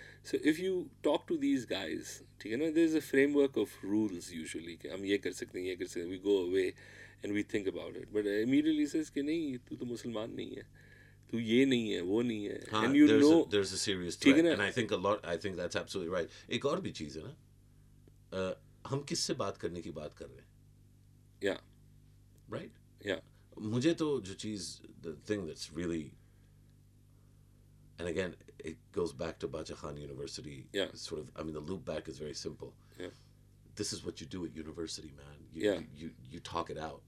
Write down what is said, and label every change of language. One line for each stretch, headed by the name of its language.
English: So if you talk to these guys, you know, there's a framework of rules usually. We go away and we think about it. But immediately says, you're not a Muslim. You're not this, you're not that. And you know... There's a serious threat. And I think a lot... I think that's absolutely right.
Urdu: ایک اور بھی چیز ہے نا۔ ہم کس سے بات کرنے کی بات کر رہے hain.
English: Yeah. Right? Yeah.
Urdu: Mujhe to jo cheez,
English: the thing that's really... And again, it goes back to Bacha Khan University. Yeah. Sort of, I mean, the loop back is very simple. Yeah. This is what you do at university, man. You talk it out.